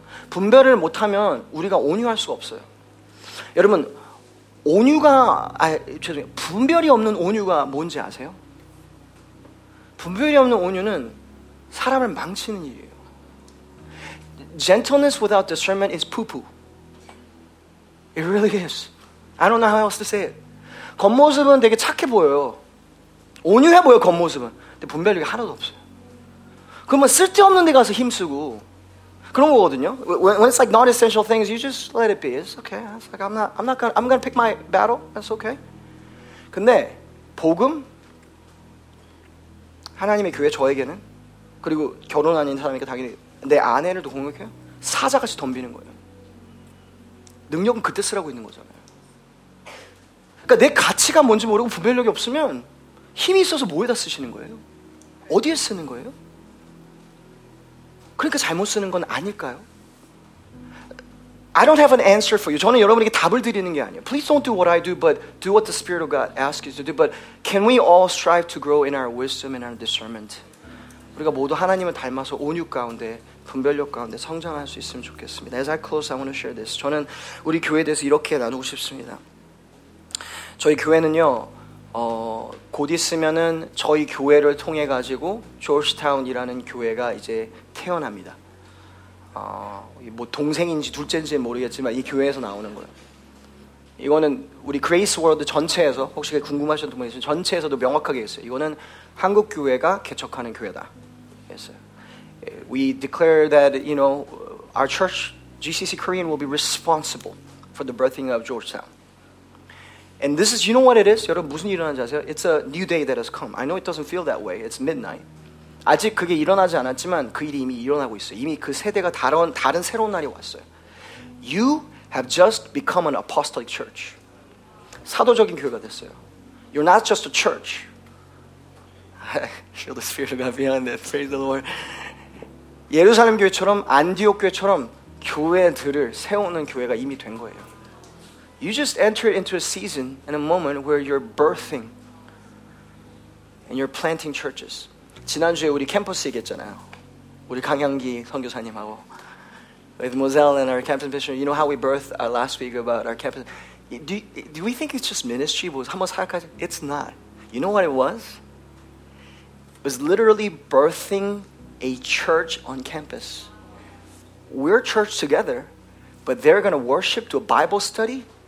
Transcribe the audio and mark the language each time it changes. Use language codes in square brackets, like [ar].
[ko] 분별을 못하면 우리가 온유할 수가 없어요. 여러분, 온유가, 아, 죄송해요. 분별이 없는 온유가 뭔지 아세요? 분별이 없는 온유는 사람을 망치는 일이에요. [en] Gentleness without discernment is poo-poo. It really is. I don't know how else to say it. [ko] 겉모습은 되게 착해 보여요. 온유해 보여, 겉모습은. 근데 분별력이 하나도 없어요. 그러면 쓸데없는 데 가서 힘쓰고 그런 거거든요. [en] When it's like non-essential things, you just let it be. It's okay. It's like I'm gonna pick my battle. That's okay. [ko] 근데 복음, 하나님의 교회 저에게는 그리고 결혼 아닌 사람이니까 당연히 내 아내를 또 공격해요? 사자같이 덤비는 거예요. 능력은 그때 쓰라고 있는 거잖아요. 그러니까 내 가치가 뭔지 모르고 분별력이 없으면 힘이 있어서 뭐에다 쓰시는 거예요? 어디에 쓰는 거예요? 그러니까 잘못 쓰는 건 아닐까요? [en] I don't have an answer for you. [ko] 저는 여러분에게 답을 드리는 게 아니에요. [en] Please don't do what I do, but do what the Spirit of God asks you to do. But can we all strive to grow in our wisdom and our discernment? [ko] 우리가 모두 하나님을 닮아서 온유 가운데, 분별력 가운데 성장할 수 있으면 좋겠습니다. [en] As I close, I want to share this. [ko] 저는 우리 교회에 대해서 이렇게 나누고 싶습니다. 저희 교회는요, 곧 있으면은 저희 교회를 통해 가지고 조지타운이라는 교회가 이제 태어납니다. 뭐 동생인지 둘째인지 모르겠지만 이 교회에서 나오는 거예요. 이거는 우리 그레이스 월드 전체에서, 혹시 궁금하셨던 분 있으면 전체에서도 명확하게 했어요. 이거는 한국 교회가 개척하는 교회다. 했어요. [en] We declare that, you know, our church, GCC Korean, will be responsible for the birthing of Georgetown. And this is, you know what it is? [ko] 여러분, 무슨 일이 일어난지 아세요? [en] It's a new day that has come. I know it doesn't feel that way. It's midnight. [ko] 아직 그게 일어나지 않았지만 그 일이 이미 일어나고 있어요. 이미 그 세대가 다른 새로운 날이 왔어요. [en] You have just become an apostolic church. [ko] 사도적인 교회가 됐어요. [en] You're not just a church. I feel the Spirit of God behind that. Praise the Lord. [ko] 예루살렘 교회처럼 안디옥 교회처럼 교회들을 세우는 교회가 이미 된 거예요. [en] You just enter into a season and a moment where you're birthing and you're planting churches. [ko] 지난주에 우리 캠퍼스 얘기했잖아요. 우리 강향기 선교사님하고 [en] with Moselle and our campus mission. You know how we birthed our last week about our campus. Do we think it's just ministry? [ko] 한번 생각하자. [en] It's not. You know what it was? It was literally birthing a church on campus. We're church together, but they're going to worship, do a Bible study.